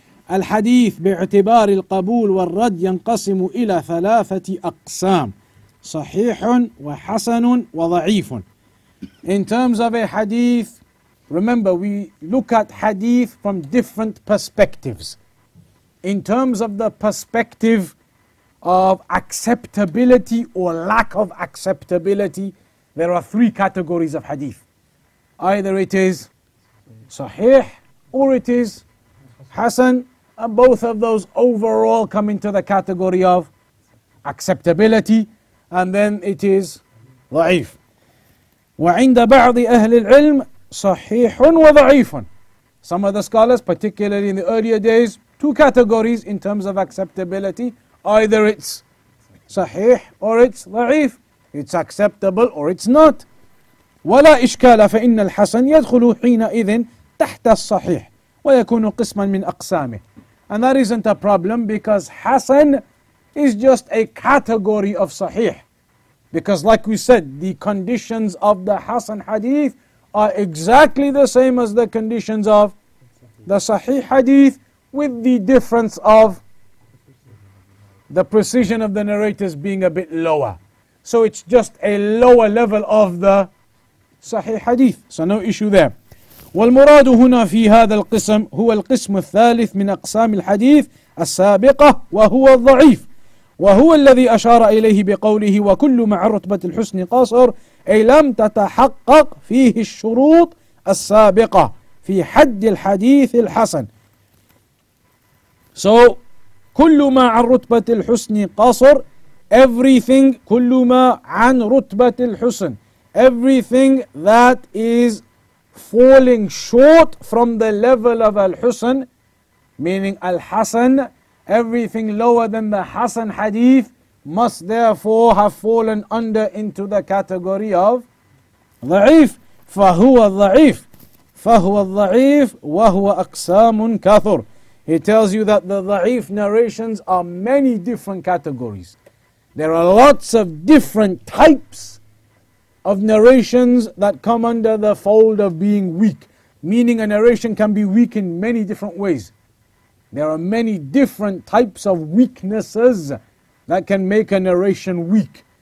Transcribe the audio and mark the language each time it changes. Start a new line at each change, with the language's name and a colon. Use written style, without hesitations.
Arabic: الحديث باعتبار القبول والرد ينقسم إلى ثلاثة أقسام صحيح وحسن وضعيف
English: In terms of a hadith, remember we look at hadith from different perspectives. In terms of the perspective of acceptability or lack of acceptability, there are three categories of hadith. Either it is sahih or it is hasan, and both of those overall come into the category of acceptability, and then it is ضعيف.
Arabic: وعند بعض أهل العلم صحيح وضعيف.
English: Some of the scholars, particularly in the earlier days, two categories in terms of acceptability, either it's صحيح or it's ضعيف. It's acceptable or it's not.
Arabic: ولا إشكال فإن الحسن يدخل حينئذ تحت الصحيح ويكون قسما من أقسامه.
English: And that isn't a problem because حسن is just a category of صحيح. Because like we said, the conditions of the Hasan Hadith are exactly the same as the conditions of the Sahih Hadith with the difference of the precision of the narrators being a bit lower. So it's just a lower level of the Sahih Hadith. So no issue there.
Arabic: والمراد هنا في هذا القسم هو القسم الثالث من أقسام الحديث السابقة وهو الضعيف. وهو الذي أشار إليه بقوله وكل مع رتبة الحسن قاصر أي لم تتحقق فيه الشروط السابقة في حد الحديث الحسن So كل ما عن رتبة الحسن قاصر Everything كل ما عن رتبة الحسن
English: Everything that is falling short from the level of al-Husn, meaning al-Hasan, everything lower than the Hasan hadith must therefore have fallen under into the category of ضعيف.
Arabic: فهو الضعيف فهو الضعيف وهو أقسام كثر.
English: He tells you that the ضعيف narrations are many different categories. There are lots of different types of narrations that come under the fold of being weak. Meaning a narration can be weak in many different ways. There are many different types of weaknesses that can make a narration weak.